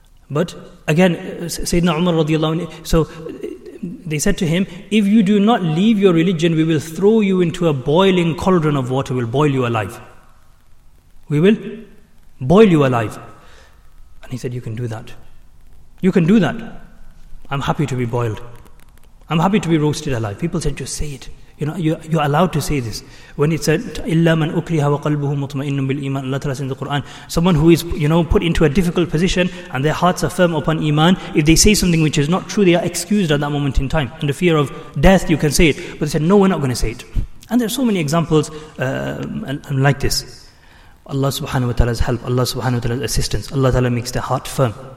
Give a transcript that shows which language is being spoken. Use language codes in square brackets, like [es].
[en] But again, Sayyidina Umar radiallahu anhu, so they said to him, if you do not leave your religion, we will throw you into a boiling cauldron of water, we'll boil you alive. We will boil you alive. And he said, you can do that. You can do that. I'm happy to be boiled. I'm happy to be roasted alive. People said, just say it. You know, you're allowed to say this. When it said, [ar] إِلَّا مَنْ أُكْرِهَ وَقَلْبُهُ مُطْمَئِنٌ بِالْإِيمَانِ اللَّهُ تَعَالَى [en] in the Quran. Someone who is, you know, put into a difficult position and their hearts are firm upon Iman, if they say something which is not true, they are excused at that moment in time. Under fear of death, you can say it. But they said, no, we're not going to say it. And there are so many examples like this. Allah subhanahu wa ta'ala's help, Allah subhanahu wa ta'ala's assistance, Allah ta'ala makes their heart firm.